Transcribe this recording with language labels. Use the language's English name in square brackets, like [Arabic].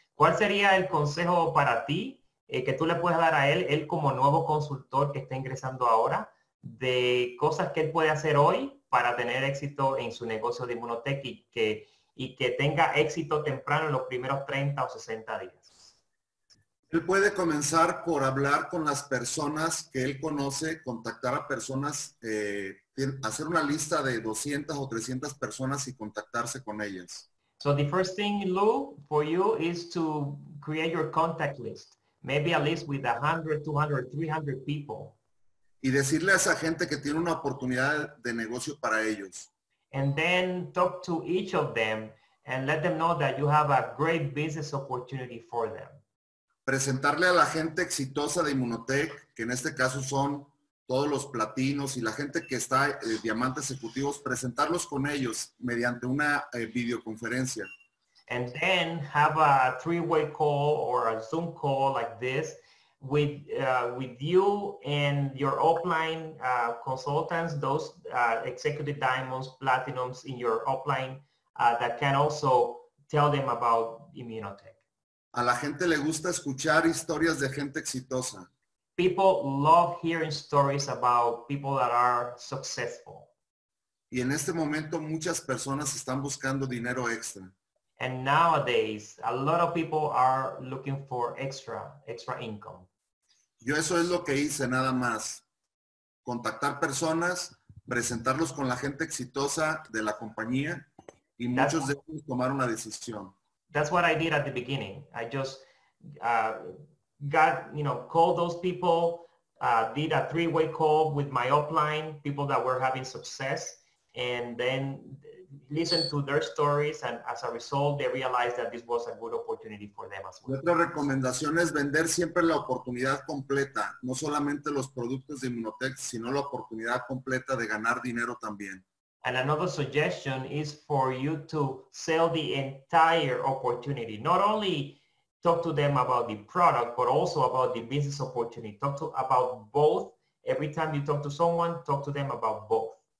[Spanish] ¿Cuál sería el consejo para ti que tú le puedes dar a él como nuevo consultor que está ingresando ahora, de cosas que él puede hacer hoy para tener éxito en su negocio de Immunotech y que tenga éxito temprano en los primeros 30 o 60 días? Él puede comenzar por hablar con las personas que él conoce, contactar a personas, hacer una lista de 200 o 300 personas y contactarse con ellas. [English] So the first thing, Lou, for you is to create your contact list. Maybe a list with 100, 200, 300 people. [Spanish] Y decirle a esa gente que tiene una oportunidad de negocio para ellos. [English] And then talk to each of them and let them know that you have a great business opportunity for them. [Spanish] Presentarle a la gente exitosa de Immunotech, que en este caso son todos los platinos y la gente que está diamantes ejecutivos, presentarlos con ellos mediante una videoconferencia. [English] And then have a three-way call or a Zoom call like this with you and your offline consultants, those executive diamonds, platinums in your offline that can also tell them about Immunotech. [Spanish] A la gente le gusta escuchar historias de gente exitosa. [English] People love hearing stories about people that are successful. [Spanish] Y en este momento muchas personas están buscando dinero extra. [English] And nowadays, a lot of people are looking for extra income. [Spanish] Yo eso es lo que hice nada más. Contactar personas, presentarlos con la gente exitosa de la compañía y muchos de ellos tomaron la decisión. [English] That's what I did at the beginning. I just called those people, did a three-way call with my upline, people that were having success, and then listen to their stories, and as a result, they realized that this was a good opportunity for them as well. [Spanish] Otra recomendación es vender siempre la oportunidad completa, no solamente los productos de Immunotech, sino la oportunidad completa de ganar dinero también. [English] And another suggestion is for you to sell the entire opportunity. Not only talk to them about the product, but also about the business opportunity. Talk to about both. Every time you talk to someone, talk to them about both.